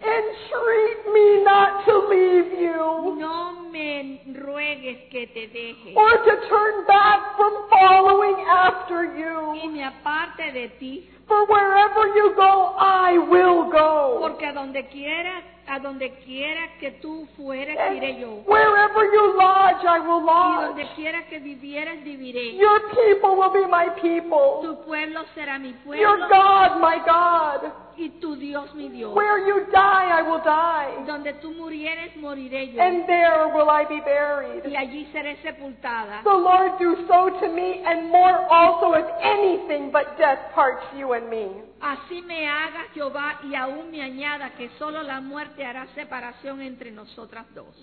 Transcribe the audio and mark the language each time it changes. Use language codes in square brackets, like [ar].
[en] Entreat me not to leave you. [es] No me ruegues que te deje. [en] Or to turn back from following after you. [es] Y me aparte de ti. [en] For wherever you go, I will go. [es] Porque a donde quiera que tú fueres, iré yo. [en] Wherever you lodge, I will lodge. [es] Y donde quiera que vivieres, viviré. [en] Your people will be my people. [es] Tu pueblo será mi pueblo. [en] Your God, my God. [es] Y tu Dios, mi Dios. [en] Where you die, I will die. [es] Donde tú murieres, moriré yo. [en] And there will I be buried. [es] Y allí seré sepultada. [en] The Lord do so to me, and more also if anything but death parts you and me. [es] Así me haga Jehová y aún me añada que solo la muerte hará separación entre nosotras dos.